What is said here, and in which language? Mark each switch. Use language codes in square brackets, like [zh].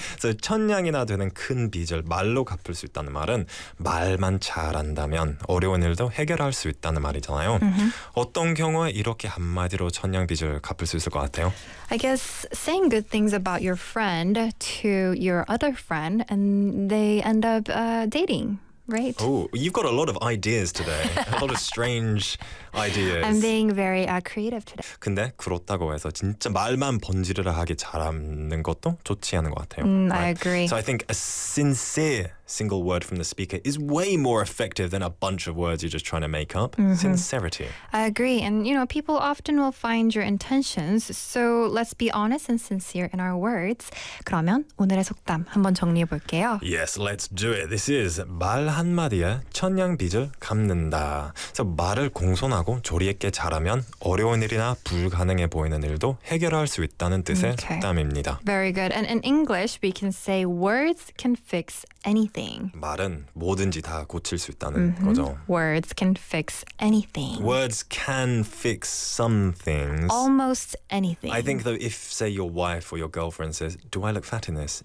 [ko] 그래서 천냥이나 되는 큰 빚을 말로 갚을 수 있다는 말은 말만 잘한다면 어려운 일도 해결할 수 있다는 말이잖아요. Mm-hmm. 어떤 경우에 이렇게 한마디로 천냥 빚을 갚을 수 있을 것 같아요? [en] I guess saying good things about your friend to your other friend and they end up dating. Right. Oh, you've got a lot of ideas today. A lot of strange ideas. I'm being very creative today. [ko] 근데 그렇다고 해서 진짜 말만 번지르르하게 잘하는 것도 좋지 않은 것 같아요. [en] I agree. So I think a sincere single word from the speaker is way more effective than a bunch of words you're just trying to make up. Mm-hmm. Sincerity. I agree. And, you know, people often will find your intentions. So let's be honest and sincere in our words. [ko] 그러면 오늘의 속담 한번 정리해 볼게요. [en] Yes, let's do it. This is [ko] 말 한마디에 천냥 빚을 갚는다. So 말을 공손하고 조리 있게 잘하면 어려운 일이나 불가능해 보이는 일도 해결할 수 있다는 뜻의 okay. 속담입니다. [en] Very good. And in English, we can say words can fix anything. [ko] 말은 뭐든지 다 고칠 수 있다는 mm-hmm. 거죠. [en] Words can fix anything. Words can fix some things. Almost anything. I think though, if say your wife or your girlfriend says, "Do I look fat in this?"